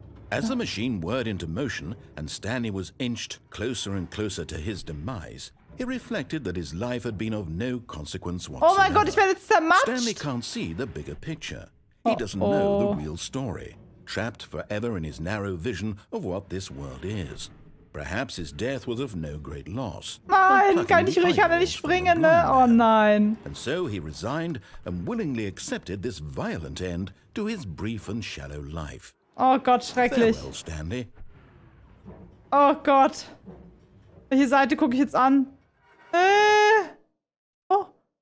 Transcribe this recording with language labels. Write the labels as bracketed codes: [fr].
[en] As the machine whirred into motion and Stanley was inched closer and closer to his demise, he reflected that his life had been of no consequence whatsoever. [de] Oh mein Gott, ich werde jetzt zermatscht. [en] Stanley can't see the bigger picture. He doesn't know the real story, trapped forever in his narrow vision of what this world is. Perhaps his death was of no great loss. [de] Nein, kann ich ruhig, kann er nicht springen, ne? Oh nein. [en] And so he resigned and willingly accepted this violent end to his brief and shallow life. [de] Oh Gott, schrecklich. [en] Farewell, Stanley. [de] Oh Gott. Welche Seite gucke ich jetzt an? Oh.